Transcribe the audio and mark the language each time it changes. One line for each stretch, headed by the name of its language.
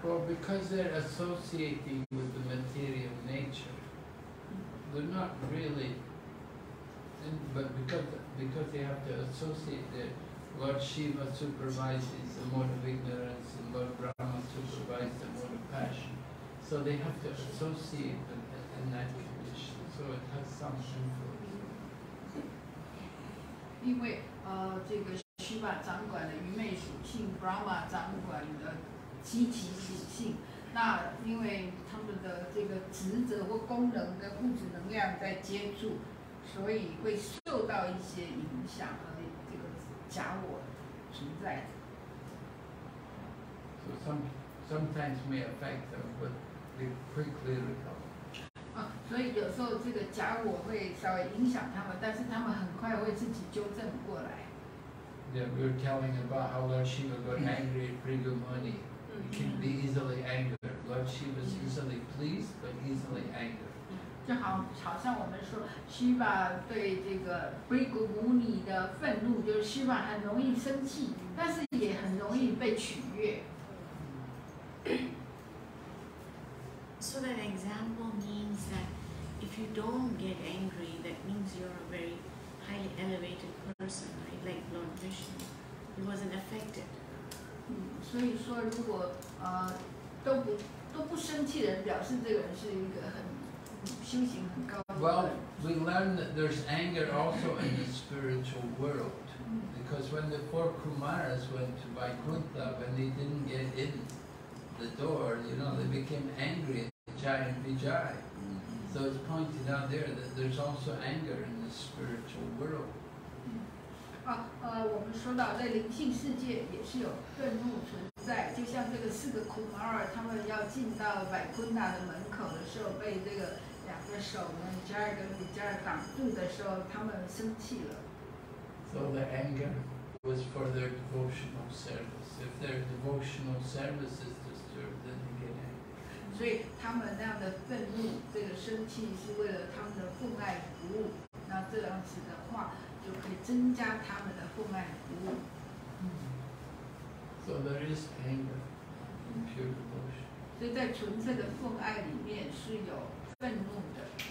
English: Well, because they're associating with the material nature, they're not really, but because they have to associate that Lord Shiva supervises the mode of ignorance and Lord Brahma supervises So they have to associate a night tradition. So it has some influence.
Chinese: 因为这个 Shiva 掌管的愚昧属性， Brahma 掌管的积极属性，那因为他们的这个职责或功能跟物质能量在接触，所以会受到一些影响和这个假我存在的。
English: So sometimes may affect them, but they quickly recover.
Chinese: 所以有时候这个假我会稍微影响他们，但是他们很快会自己纠正过来。
English: Yeah, we were telling about how Lord Shiva got angry at Brihamani. He can be easily angered. Lord Shiva is easily pleased, but easily angered.
Chinese: 就好，好像我们说 Shiva 对这个 Brihamani 的愤怒，就是 Shiva 很容易生气，但是也很容易被取悦。
English: So that example means that if you don't get angry, that means you're a very highly elevated person, right? Like Lord Vishnu, he wasn't affected.
Chinese: 所以说如果都不生气的人，表示这个人是一个很修行很高的人。
English: Well, we learn that there's anger also in the spiritual world, because when the four Kumaras went to Vaikuntha, when they didn't get in the door, you know, they became angry. Giant Vijay. So it's pointed out there that there's also anger in the spiritual world.
Chinese: 我们说到在灵性世界也是有愤怒存在，就像这个四个库马尔他们要进到百昆达的门口的时候，被这个两个守门 Vijay 跟 Vijay 挡住的时候，他们生气了。
English: So the anger was for their devotional service. If their devotional service is disturbed, then they get angry.
Chinese: 所以他们那样的愤怒，这个生气是为了他们的奉爱服务。那这样子的话，就可以增加他们的奉爱服务。
English: So there is anger in pure devotion.
Chinese: 所以在纯粹的奉爱里面是有愤怒的。